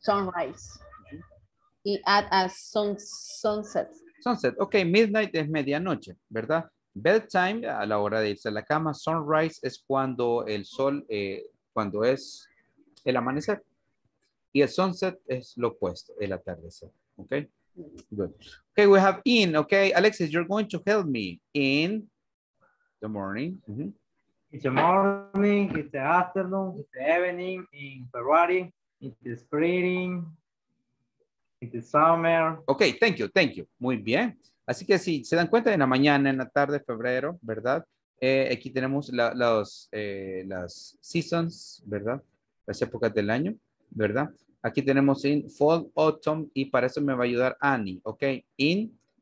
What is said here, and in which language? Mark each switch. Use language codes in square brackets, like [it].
[en] Sunrise. Mm-hmm. Y at a sunset. [es] Sunset. Okay. Midnight es medianoche, ¿verdad? Bedtime a la hora de irse a la cama. Sunrise es cuando el sol, cuando es el amanecer. Y el sunset es lo opuesto, el atardecer. [en] Okay. Good. Okay, we have in. Okay, Alexis, you're going to help me in the morning. Mm-hmm. It's the morning, it's the afternoon, it's the evening, in February, it's the spring, it's the summer. Okay, thank you, [es] muy bien. Así que si se dan cuenta, en la mañana, en la tarde, febrero, ¿verdad? Aquí tenemos las seasons, ¿verdad? Las épocas del año, ¿verdad? Aquí tenemos in fall, autumn, y para eso me va a ayudar Annie, ¿ok? In